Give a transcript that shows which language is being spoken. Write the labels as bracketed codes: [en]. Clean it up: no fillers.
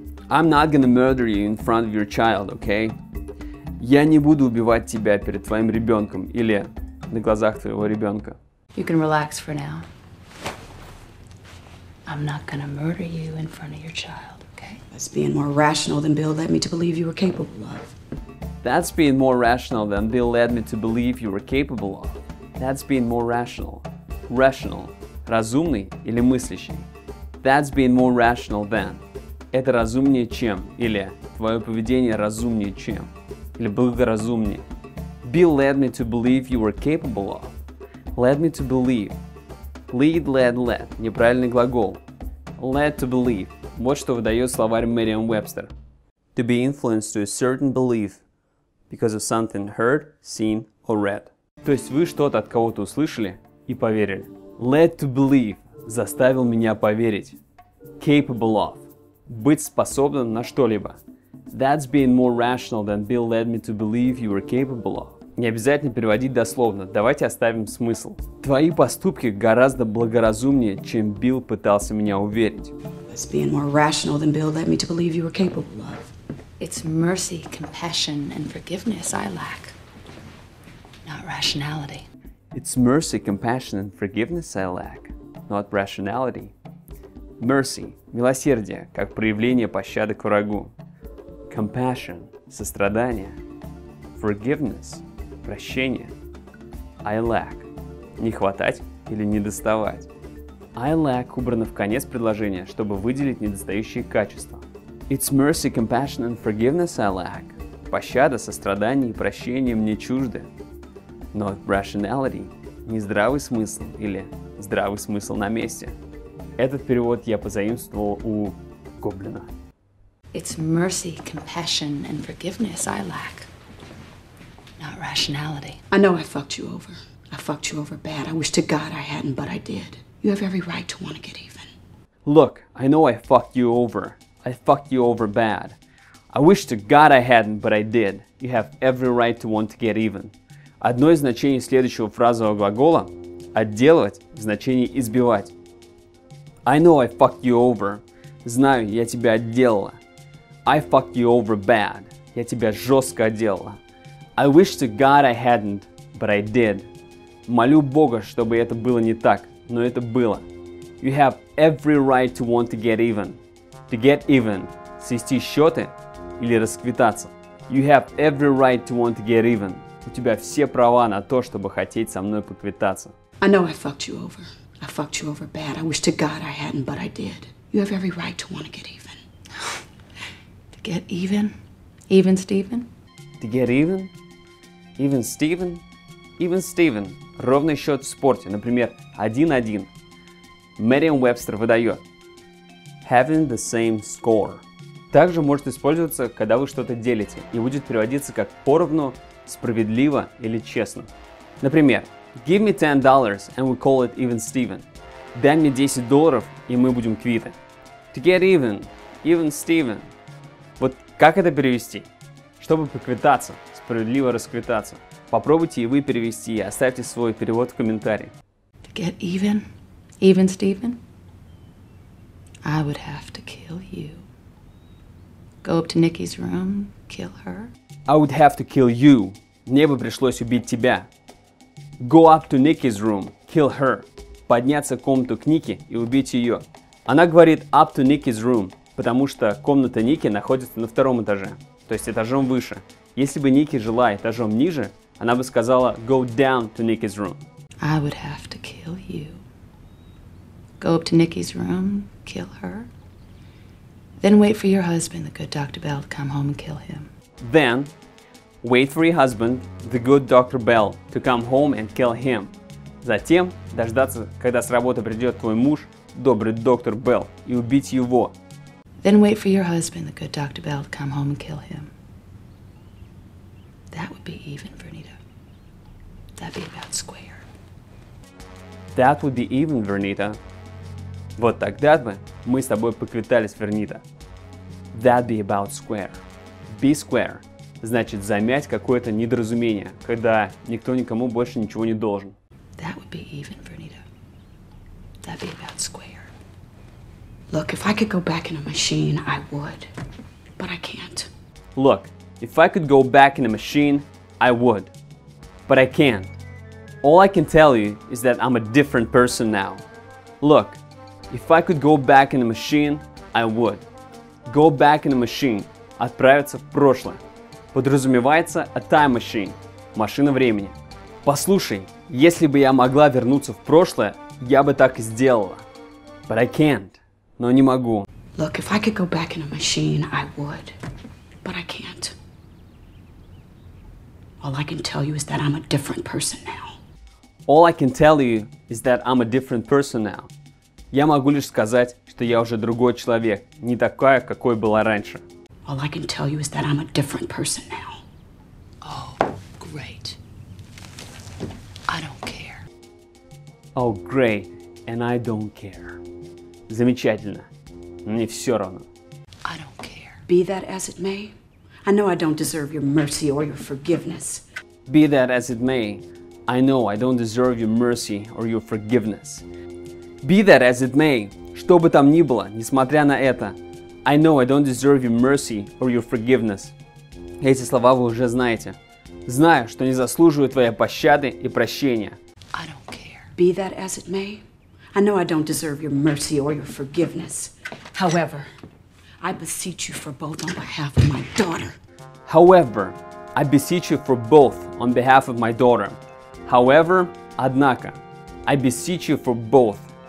[en] I'm not gonna murder you in front of your child, okay? [ru] Я не буду убивать тебя перед твоим ребенком или на глазах твоего ребенка. [en] You can relax for now. I'm not gonna murder you in front of your child, okay? That's being more rational than Bill led me to believe you were capable of. That's being more rational than Bill led me to believe you were capable of. That's being more rational. Rational. [ru] Разумный или мыслящий. [en] That's being more rational than. [ru] Это разумнее, чем. Или твое поведение разумнее, чем. Или благоразумнее. [en] Bill led me to believe you were capable of. Led me to believe. Lead, led, led. [ru] Неправильный глагол. [en] Led to believe. [ru] Вот что выдает словарь Merriam-Webster. [en] To be influenced to a certain belief because of something heard, seen or read. [ru] То есть вы что-то от кого-то услышали и поверили. [en] Led to believe. [ru] Заставил меня поверить. [en] Capable of. [ru] Быть способным на что-либо. [en] That's being more rational than Bill led me to believe you were capable of. [ru] Не обязательно переводить дословно, давайте оставим смысл. Твои поступки гораздо благоразумнее, чем Билл пытался меня уверить. [en] That's being more rational than Bill led me to believe you were capable of. It's mercy, compassion and forgiveness I lack, not rationality. It's mercy, compassion and forgiveness I lack, not rationality. [ru] Mercy – милосердие, как проявление пощады к врагу. Compassion – сострадание. Forgiveness – прощение. I lack – не хватать или не доставать. I lack – убрано в конец предложения, чтобы выделить недостающие качества. [en] It's mercy, compassion and forgiveness I lack. [ru] Пощада, сострадание и прощение мне чужды. Not rationality – не здравый смысл или здравый смысл на месте. Этот перевод я позаимствовал у Гоблина. [en] It's mercy, compassion and forgiveness I lack, not rationality. I know I fucked you over. I fucked you over bad. I wish to God I hadn't, but I did. You have every right to want to get even. Look, I know I fucked you over. I fucked you over bad. I wish to God I hadn't, but I did. You have every right to want to get even. [ru] Одно из значений следующего фразового глагола – отделывать в значении избивать. [en] I know I fucked you over. [ru] Знаю, я тебя отделала. [en] I fucked you over bad. [ru] Я тебя жестко отделала. [en] I wish to God I hadn't, but I did. [ru] Молю Бога, чтобы это было не так, но это было. [en] You have every right to want to get even. To get even. [ru] Свести счеты, или расквитаться. [en] You have every right to want to get even. [ru] У тебя все права на то, чтобы хотеть со мной поквитаться. [en] I know I fucked you over. I fucked you over bad. I wish to God I hadn't, but I did. You have every right to want to get even. To get even? Even Steven? To get even? Even Steven? Even Steven. [ru] Ровный счет в спорте. Например, 1-1. Мерриам-Вебстер выдает. [en] Having the same score. [ru] Также может использоваться, когда вы что-то делите, и будет переводиться как поровну, справедливо или честно. [en] Например, give me $10 and we call it even Steven. [ru] Дай мне $10, и мы будем квиты. [en] To get even, even Steven. [ru] Вот как это перевести? Чтобы поквитаться, справедливо расквитаться. Попробуйте и вы перевести, и оставьте свой перевод в комментарии. [en] To get even, even Steven, I would have to kill you. Go up to Nikki's room, kill her. I would have to kill you. [ru] Мне бы пришлось убить тебя. [en] Go up to Nikki's room, kill her. [ru] Подняться в комнату к Нике и убить ее. Она говорит [en] up to Nikki's room, [ru] потому что комната Ники находится на втором этаже, то есть этажом выше. Если бы Ники жила этажом ниже, она бы сказала [en] go down to Nikki's room. I would have to kill you. Go up to Nikki's room, kill her. Then wait for your husband, the good Dr. Bell, to come home and kill him. Then, wait for your husband, the good Dr. Bell, to come home and kill him. [ru] Затем, дождаться, когда с работы придет твой муж, добрый доктор Белл, и убить его. [en] Then wait for your husband, the good Dr. Bell, to come home and kill him. That would be even, Vernita. That'd be about square. That would be even, Vernita. [ru] Вот тогда бы мы с тобой поквитались, Вернита. [en] That'd be about square. Be square. [ru] Значит, замять какое-то недоразумение, когда никто никому больше ничего не должен. [en] That would be even, Vernita. That'd be about square. Look, if I could go back in a machine, I would. But I can't. Look, if I could go back in a machine, I would. But I can't. All I can tell you is that I'm a different person now. Look. If I could go back in a machine, I would. Go back in a machine. [ru] Отправиться в прошлое. [en] Подразумевается a time machine. [ru] Машина времени. Послушай, если бы я могла вернуться в прошлое, я бы так и сделала. [en] But I can't. [ru] Но не могу. [en] Look, if I could go back in a machine, I would. But I can't. All I can tell you is that I'm a different person now. All I can tell you is that I'm a different person now. [ru] Я могу лишь сказать, что я уже другой человек, не такая, какой была раньше. [en] All I can tell you is that I'm a different person now. Oh, great. I don't care. Oh, great. And I don't care. [ru] Замечательно. Мне все равно. [en] I don't care. Be that as it may, I know I don't deserve your mercy or your forgiveness. Be that as it may, I know I don't deserve your mercy or your forgiveness. Be that as it may, [ru] что бы там ни было, несмотря на это, [en] I know I don't deserve your mercy or your forgiveness. [ru] Эти слова вы уже знаете. Знаю, что не заслуживаю твоей пощады и прощения. [en] I don't care. Be that as it may, I know I don't deserve your mercy or your forgiveness. However, I beseech you for both on behalf of my daughter. However, I beseech you for both on behalf of my daughter. However, однако, I beseech you for both.